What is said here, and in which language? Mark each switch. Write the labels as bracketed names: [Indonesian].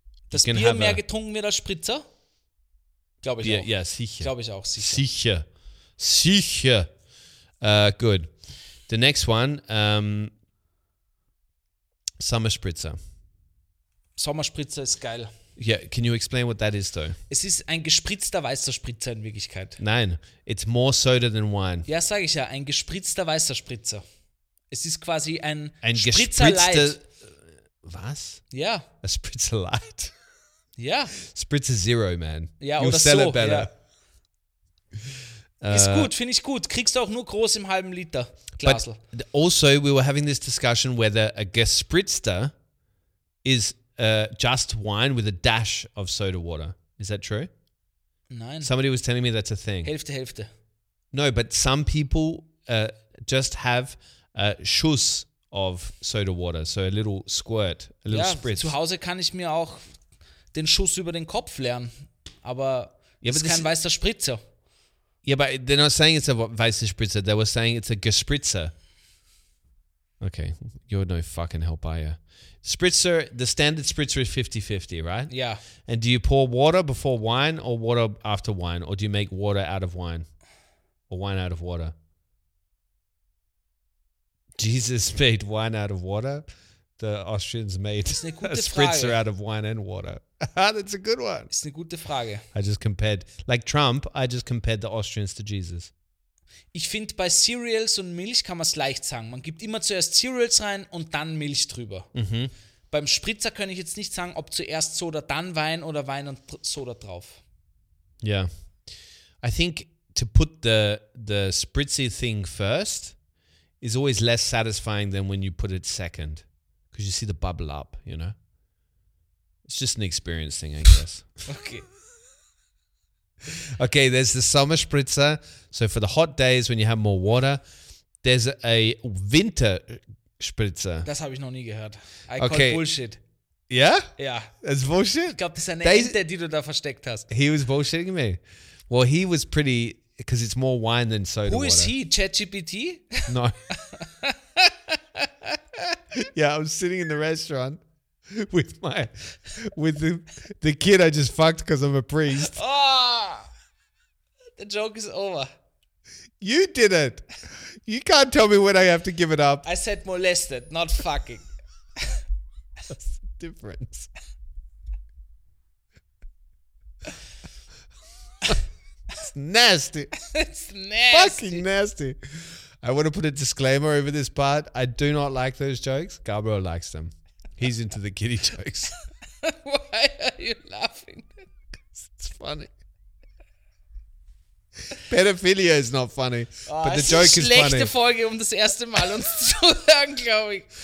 [German] Dass Bier mehr getrunken wird als Spritzer? Glaube ich Bier, auch. Ja, sicher. Glaube ich auch, sicher. Sicher. Sicher. [English] Good. The next one. [German] Sommerspritzer. Sommerspritzer ist geil. [English] Yeah, can you explain what that is though? [German] Es ist ein gespritzter weißer Spritzer in Wirklichkeit. [English] Nein, it's more soda than wine. [German] Ja, sage ich ja, ein gespritzter weißer Spritzer. Es ist quasi ein Spritzer Light. Was? Ja. [English] A Spritzer Light. [German] Ja. [English] Spritzer Zero, man. [German] Ja, [English] you'll oder sell so, it better. [German] Ja. Ist gut, finde ich gut. Kriegst du auch nur groß im halben Liter Glasl. [English] But also, we were having this discussion whether a gespritzter is just wine with a dash of soda water. Is that true? [German] Nein. [English] Somebody was telling me that's a thing. [German] Hälfte, Hälfte. [English] No, but some people just have a Schuss of soda water. So a little squirt, a little ja, spritz. [German] Zu Hause kann ich mir auch den Schuss über den Kopf leeren. Aber ja, das ist kein weißer Spritzer. [English] Yeah, but they're not saying it's a weißer Spritzer. They were saying it's a gespritzer. Okay, you're no fucking help, are you? Spritzer, the standard spritzer is 50-50, right? Yeah. And do you pour water before wine or water after wine? Or do you make water out of wine? Or wine out of water? Jesus made wine out of water. The Austrians made a spritzer [German] Frage. [English] Out of wine and water. That's a good one. [German] Ist eine gute Frage. [English] I just compared, like Trump, I just compared the Austrians to Jesus. [German] Ich finde, bei Cereals und Milch kann man es leicht sagen. Man gibt immer zuerst Cereals rein und dann Milch drüber. Mhm. Beim Spritzer kann ich jetzt nicht sagen, ob zuerst Soda, dann Wein oder Wein und Soda drauf. Ja. Yeah. [English] I think to put the spritzy thing first is always less satisfying than when you put it second. Because you see the bubble up, you know? It's just an experience thing, I guess. Okay. Okay, there's the summer spritzer. So for the hot days when you have more water, there's a winter spritzer. [German] Das habe ich noch nie gehört. [English] I call okay. Bullshit. Yeah? Yeah. That's bullshit? [German] Ich glaube, das ist eine Ente, die du da versteckt hast. [English] He was bullshitting me. Well, he was pretty, because it's more wine than soda Who water. Is he? ChatGPT? No. Yeah, I was sitting in the restaurant. With the kid I just fucked because I'm a priest. Oh, the joke is over. You did it. You can't tell me when I have to give it up. I said molested, not fucking. What's the difference? It's nasty. It's nasty. Fucking nasty. I want to put a disclaimer over this part. I do not like those jokes. Gabriel likes them. He's into the kitty jokes. Why are you laughing? It's funny. Pedophilia is not funny, but the joke is funny. [German] Schlechte Folge, um das erste Mal uns zu hören, glaube ich.